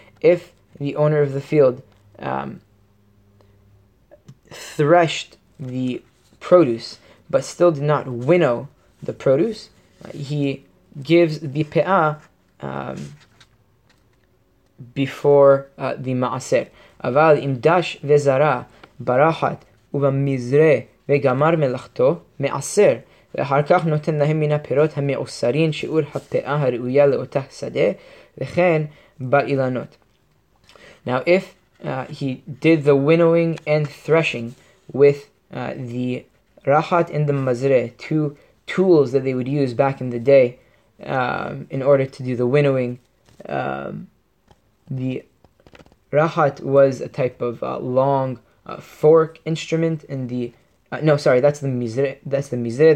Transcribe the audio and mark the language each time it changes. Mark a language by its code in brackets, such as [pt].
[en] If the owner of the field threshed the produce, but still did not winnow the produce, he gives the pe'ah before the ma'aser. [he] Aval im dash ve'zara barachat uva mizre וגמר מלאכתו מעשר, ואחר כך נותן להם מן הפירות המעוסרין שיעור הפאה הראויה לאותה שדה, וכן באילנות. [en] Now if he did the winnowing and threshing with the rachat and the mazre, two tools that they would use back in the day in order to do the winnowing, the rachat was a type of long fork instrument, and the that's the mizre. That's the mizre.